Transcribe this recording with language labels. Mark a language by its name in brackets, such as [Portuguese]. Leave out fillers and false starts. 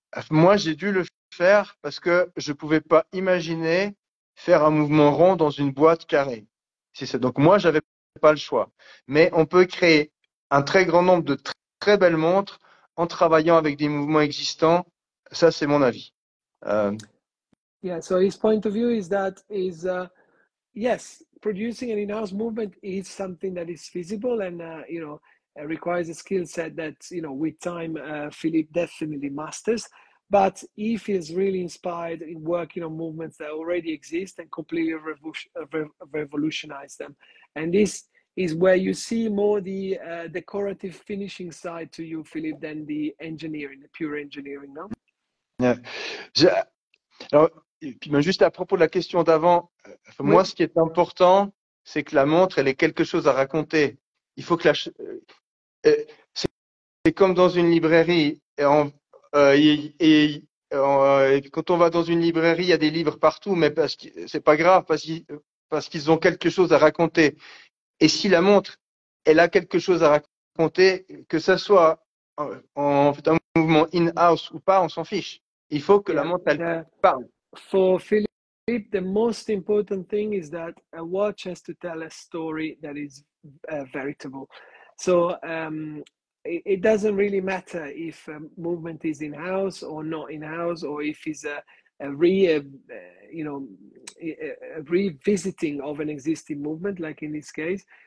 [French] Moi, j'ai dû le faire parce que je pouvais pas imaginer faire un mouvement rond dans une boîte carrée. C'est ça. Donc moi, j'avais pas le choix. Mais on peut créer un très grand nombre de très belles montres en travaillant avec des mouvements existants. Ça, c'est mon avis. [English] So his point of view is that yes, producing an in-house movement is something that is feasible and you know, it requires a skill set that, you know, with time, Philippe definitely masters. But he feels really inspired in working on movements that already exist and completely revolutionize them. And this is where you see more the decorative finishing side to you, Philippe, than the engineering, the pure engineering, no? Yeah. [French] Alors, puis ben juste à propos de la question d'avant, moi, ce qui est important, c'est que la montre, elle ait quelque chose à raconter. Il faut que la c'est comme dans une librairie et quand on va dans une librairie, il y a des livres partout, mais parce que c'est pas grave, parce qu'ils ont quelque chose à raconter. Et si la montre, elle a quelque chose à raconter, que ça soit en fait un mouvement in-house ou pas, on s'en fiche. Il faut que la montre elle parle. [English] For Philippe, the most important thing is that a watch has to tell a story that is veritable. So it doesn't really matter if movement is in-house or not in-house, or if it's a revisiting of an existing movement, like in this case.